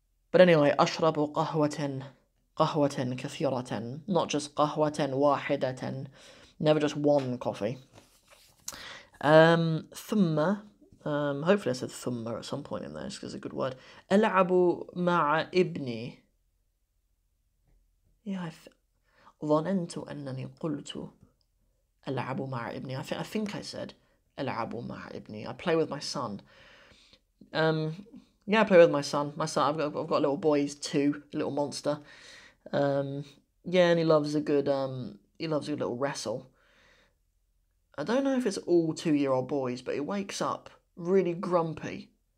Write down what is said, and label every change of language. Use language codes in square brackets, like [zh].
[en] But anyway, [ar] أشرب قهوة كثيرة, [en] not just [ar] قهوة واحدة, [en] never just one coffee. [ar] ثم [en] hopefully I said thumma at some point in there, because it's a good word. [ar] ألعب مع ابني. Yeah, ظننت أنني قلت ألعب مع ابني. [en] I think I said [ar] ألعب مع ابني. [en] I play with my son. Yeah, I play with my son. I've got a little boy, he's two, a little monster. Yeah, and he loves a good little wrestle. I don't know if it's all 2-year-old boys, but he wakes up really grumpy.